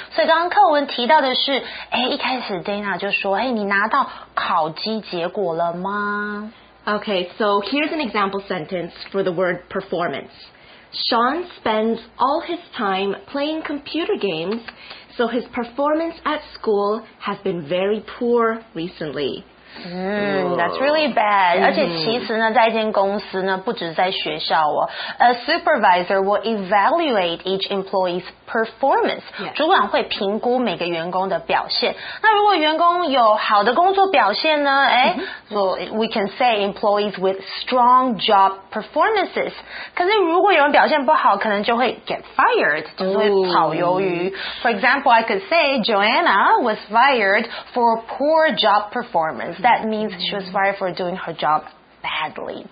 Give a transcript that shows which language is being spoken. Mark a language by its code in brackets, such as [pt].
[zh] 所以刚刚课文提到的是，哎，一开始 Dana 就说，哎，你拿到考绩结果了吗？ [en] Okay, so here's an example sentence for the word performance. Sean spends all his time playing computer games, so his performance at school has been very poor recently. That's really bad. [zh] 而且其实呢，在一间公司呢，不只在学校哦。 [en] A supervisor will evaluate each employee's performance. Yes. [zh] 主管会评估每个员工的表现。那如果员工有好的工作表现呢？ [en] 哎、so we can say employees with strong job performances. [zh] 可是如果有人表现不好，可能就会 [en] get fired， [zh] 就是会炒鱿鱼。 [en] For example, I could say Joanna was fired for poor job performance. That means she was fired for doing her job badly.